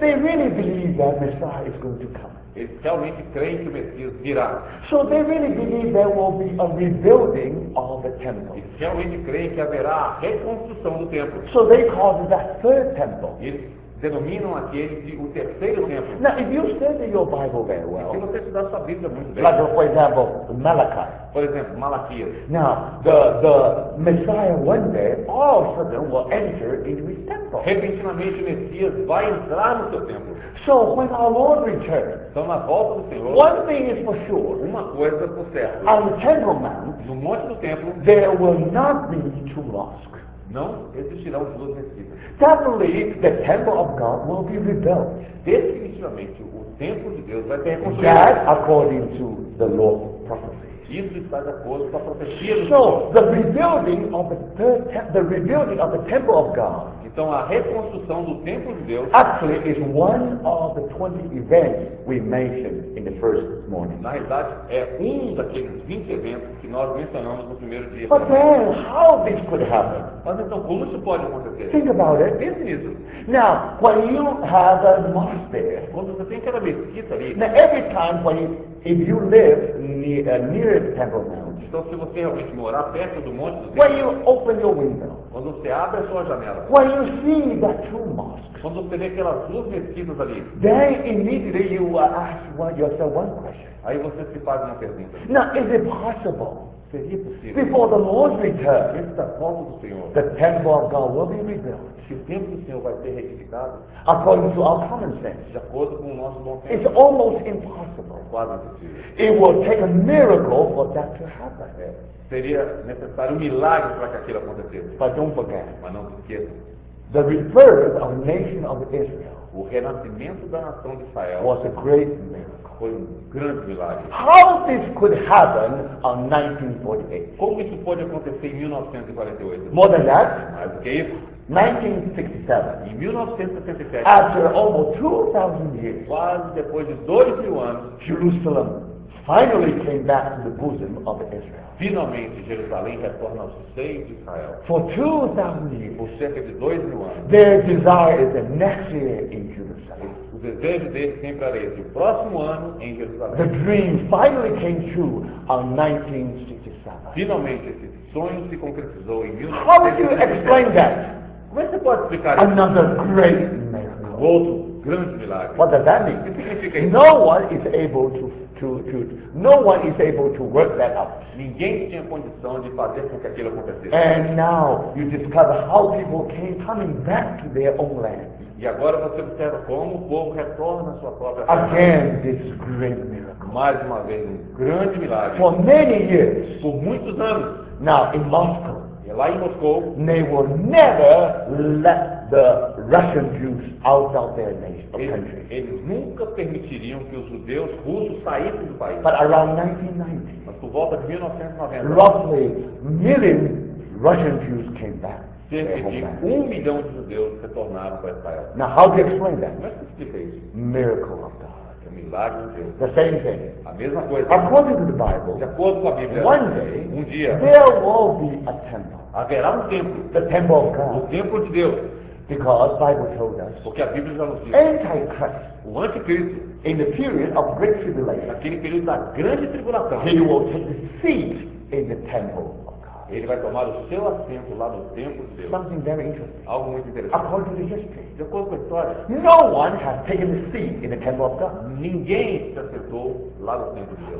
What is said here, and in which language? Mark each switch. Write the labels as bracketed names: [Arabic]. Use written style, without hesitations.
[English] They really believe that Messiah is going to come. [Portuguese] Eles realmente creem que o Messias virá. [English] So they really believe there will be a rebuilding of the temple. [Portuguese] Eles realmente creem que haverá a reconstrução do templo. [English] So they call it the third temple. [Portuguese] Eles denominam aquele de o terceiro templo. [English] Now, if you study your Bible very well. [Portuguese] Se você estudar sua Bíblia muito bem. [English] Like, for example, Malachi. [Portuguese] Por exemplo, Malaquias. [English] Now, the Messiah one day all of a sudden will enter into his temple. [Portuguese] Repentinamente o Messias vai entrar no seu templo. [English] So when our Lord returns, [Portuguese] então, na volta do Senhor, [English] one thing is for sure, [Portuguese] uma coisa por certo, [English] on the Temple Mount, [Portuguese] no Monte do Templo, [English] there will not be two mosques. [Portuguese] Não existirão duas mesquitas. [English] Definitely, the Temple of God will be rebuilt. [Portuguese] Definitivamente, o Templo de Deus vai ser construído. [English] That according to the Lord's prophecy. [Portuguese] Isso está de acordo com a profecia. [English] So the rebuilding of the third the rebuilding of the Temple of God. [Portuguese] Então a reconstrução do templo de Deus [English] actually is one of the 20 events we mentioned in the first morning. [Portuguese] Na verdade é um daqueles 20 eventos que nós mencionamos no primeiro dia. [English] But then, how this could happen? [Portuguese] Mas então como isso pode acontecer? [English] Think about it. [Portuguese] Pense nisso. [English] Now, when you have a mosque there, [Portuguese] quando você tem aquela mesquita ali, [English] now every time when if you live near the Temple Mount, [Portuguese] então se você realmente morar perto do Monte do Templo, [English] when you open your window, [Portuguese] quando você abre a sua janela, [English] when you see that two mosques, [Portuguese] quando você vê aquelas duas mesquitas ali, [English] then immediately you ask yourself one question. [Portuguese] Aí você se faz uma pergunta. [English] Now, is it possible? [Portuguese] Seria possível? [English] Before the Lord's return, [Portuguese] antes da volta do Senhor, [English] the Temple of God will be rebuilt. [Portuguese] Se o templo do Senhor vai ser reedificado, [English] according to our common sense, [Portuguese] de acordo com o nosso bom senso, [English] it's almost impossible. [Portuguese] Quase impossível. [English] It will take a miracle for that to happen. [Portuguese] É. Seria necessário um milagre para que aquilo acontecesse. [English] But don't forget. [Portuguese] Mas não esqueça. [English] The rebirth of the nation of Israel. [Portuguese] O renascimento da nação de Israel. [English] Was a great miracle. [Portuguese] Foi um grande milagre. [English] How this could happen on 1948? [Portuguese] Como isso pode acontecer em 1948? [English] More than that. [Portuguese] Mais do que isso. [English] 1967. [Portuguese] Em 1967. [English] After almost 2,000 years. [Portuguese] Quase depois de 2,000 anos. [English] Jerusalem finally came back to the bosom of Israel. [Portuguese] Finalmente, Jerusalém retorna ao seio de Israel. [English] For 2,000 years. [Portuguese] Por cerca de 2,000 anos. [English] Their desire is the next year in Jerusalem. [Portuguese] O desejo dele sempre era esse. O próximo ano em Jerusalém. [English] The dream finally came true on 1967. [Portuguese] Finalmente, esse sonho se concretizou em [English] 1967. How would you explain that? [Portuguese] Como você pode explicar [English] another [Portuguese] isso? [English] Another great miracle. [Portuguese] Um outro grande milagre. [English] What does that mean? [Portuguese] O que significa isso? [English] No one is able to work that out. [Portuguese] Ninguém tinha condição de fazer com que aquilo acontecesse. [English] And now you discover how people came coming back to their own land. [Portuguese] E agora você observa como o povo retorna à sua própria [English] terra. Again, this great miracle. [Portuguese] Mais uma vez, um grande milagre. [English] For many years. [Portuguese] Por muitos anos. [English] Now, in Moscow. [Portuguese] E lá em Moscou. [English] They will never let the Russian Jews out of their nation, [Portuguese] eles, [English] country. [Portuguese] Eles nunca permitiriam que os judeus russos saíssem do país. [English] But around 1990. [Portuguese] Mas por volta de 1990. [English] Roughly, million Russian Jews came back. [Portuguese] Cerca de 1 milhão de judeus retornaram para Israel. [English] Now, how do you explain that? [Portuguese] Como é que você explica isso? [English] Miracle of God. [Portuguese] É um milagre de Deus. [English] The same thing. [Portuguese] A mesma coisa. [English] According to the Bible. [Portuguese] De acordo com a Bíblia. [English] One day. [Portuguese] Um dia. [English] There will be a temple. [Portuguese] Haverá um templo. [English] The temple of God. [Portuguese] O templo de Deus. [English] Because the Bible told us. [Portuguese] Porque a Bíblia já nos diz. [English] Antichrist. [Portuguese] O anticristo. [English] In the period of great tribulation. [Portuguese] Naquele período da grande tribulação. [English] He will take his seat in the temple. [Portuguese] Ele vai tomar o seu assento lá no templo de Deus. [English] Something very interesting. [Portuguese] Algo muito interessante. [English] According to the history. [Portuguese] De acordo com a história. [English] No one has taken a seat in the temple of God. [Portuguese] Ninguém se assentou lá no templo de Deus.